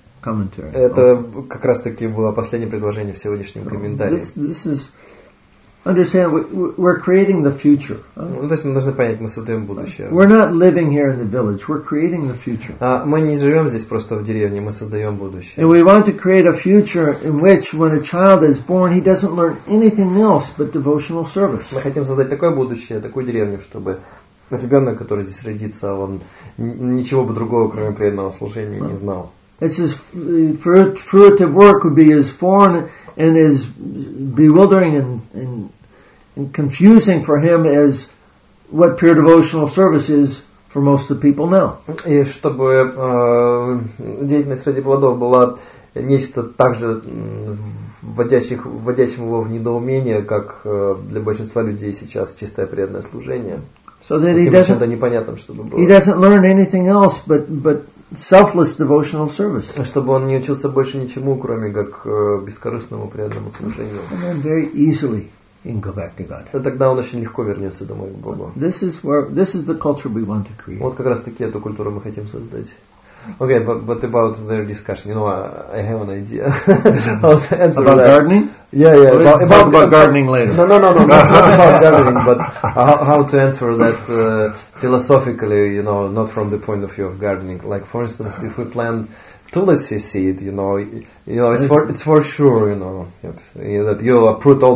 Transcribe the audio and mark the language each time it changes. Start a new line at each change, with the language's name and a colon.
English: commentary.
Russian: Это как раз-таки было последнее предложение в сегодняшнем комментарии.
English: This is, understand, we're creating the future.
Russian: Ну, то есть мы должны понять, мы создаем будущее.
English: We're not living here in the village. We're creating the future.
Russian: А мы не живем здесь просто в деревне, мы создаем будущее.
English: And we want to create a future in which, when a child is born, he doesn't learn anything else but devotional service.
Russian: Мы хотим создать такое будущее, такую деревню, чтобы ребенок, который здесь родится, он ничего бы другого, кроме преданного служения, не знал.
English: It says fruitive work would be as foreign and as bewildering and confusing for him as what pure devotional service is for most of the people now.
Russian: И чтобы деятельность среди плодов была нечто так же вводящим его в недоумение, как для большинства людей сейчас чистое преданное служение.
English: So that he doesn't. He doesn't learn anything else, but selfless devotional service.
Russian: Чтобы он не учился больше ничему, кроме как бескорыстному преданному служению.
English: And then very easily he can go back to God.
Russian: Тогда он очень легко вернется домой к Богу.
English: This is the culture we want to create.
Russian: Вот как раз таки эту культуру мы хотим создать.
English: Okay, but about the discussion, you know, I have an idea. About that. Gardening. Yeah. About gardening later. No. Not about gardening, but how to answer that philosophically, you know, not from the point of view of gardening. Like, for instance, if we plant tulsi seed, you know, it's for sure, you know, that you uproot all